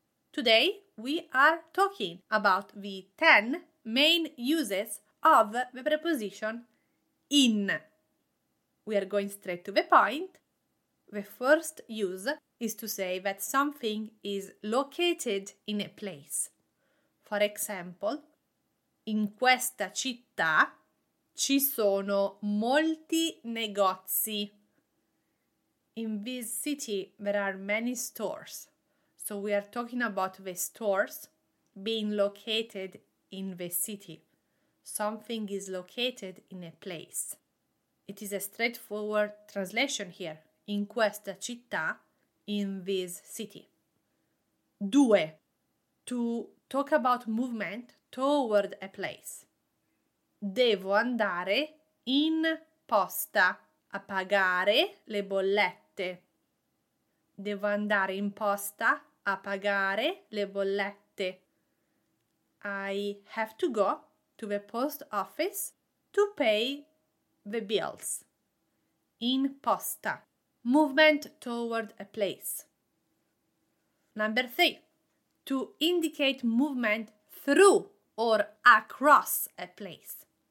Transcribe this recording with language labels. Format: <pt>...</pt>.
<en>Today we are talking about the 10 main uses of the preposition in. We are going straight to the point. The first use is to say that something is located in a place. For example,</en> <it>in questa città ci sono molti negozi.</it> <en>In this city there are many stores. So we are talking about the stores being located in the city. Something is located in a place. It is a straightforward translation here.</en> <it>In questa città,</it> <en>in this city. Due, to talk about movement toward a place.</en> <it>Devo andare in posta a pagare le bollette. Devo andare in posta a pagare le bollette.</it> <en>I have to go to the post office to pay the bills.</en> <it>In posta.</it> <en>Movement toward a place. Number three, to indicate movement through or across a place.</en>